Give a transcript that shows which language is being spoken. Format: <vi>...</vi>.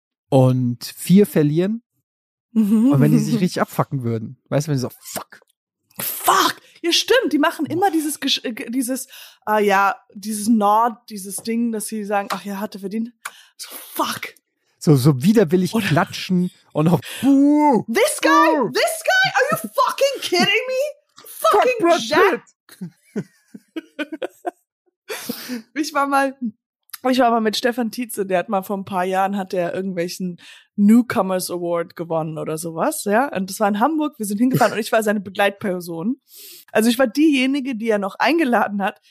<de>Und 4 verlieren. Und wenn die sich richtig abfucken würden. Weißt du, wenn sie so, fuck. Ja, stimmt. Die machen immer dieses Ding, dass sie sagen, ach ja, hatte verdient.</de> <en>So, fuck.</en> <de>So widerwillig oder klatschen und auch,</de> <en>this guy, this guy, are you fucking kidding me? Fucking fuck, Jack.</en> <de>Ich war mal mit Stefan Tietze, der hat mal vor ein paar Jahren hat er irgendwelchen Newcomers Award gewonnen oder sowas, ja. Und das war in Hamburg, wir sind hingefahren und ich war seine Begleitperson. Also ich war diejenige, die er noch eingeladen hat.</de>